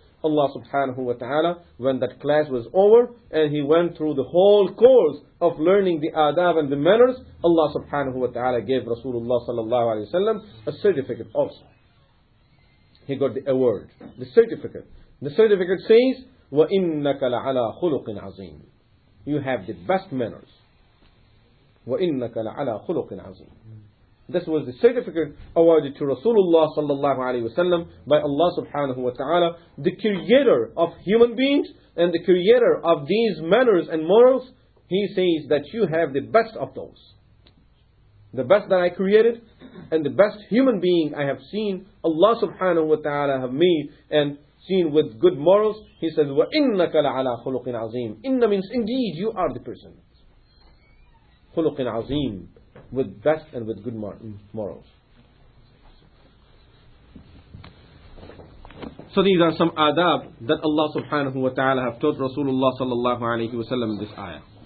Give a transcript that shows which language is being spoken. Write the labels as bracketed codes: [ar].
[en] Allah subhanahu wa ta'ala when that class was over and he went through the whole course of learning the adab and the manners, Allah subhanahu wa ta'ala gave Rasulullah sallallahu alayhi wa sallam a certificate also. He got the award, the certificate. The certificate says, [ar] وَإِنَّكَ لَعَلَىٰ خُلُقٍ عَظِيمٍ. [en] You have the best manners. [ar] وَإِنَّكَ لَعَلَىٰ خُلُقٍ عَظِيمٍ. [en] This was the certificate awarded to Rasulullah sallallahu alayhi wasallam by Allah subhanahu wa ta'ala, the creator of human beings and the creator of these manners and morals. He says that you have the best of those. The best that I created and the best human being I have seen, Allah subhanahu wa ta'ala have made and seen with good morals. He says, [ar] وَإِنَّكَ لَعَلَىٰ خُلُقٍ عَظِيمٍ. [en] إِنَّ means indeed you are the person. [ar] خُلُقٍ عَظِيمٍ. [en] With best and with good morals. So these are some adab that Allah subhanahu wa ta'ala have taught Rasulullah sallallahu alayhi wa sallam in this ayah.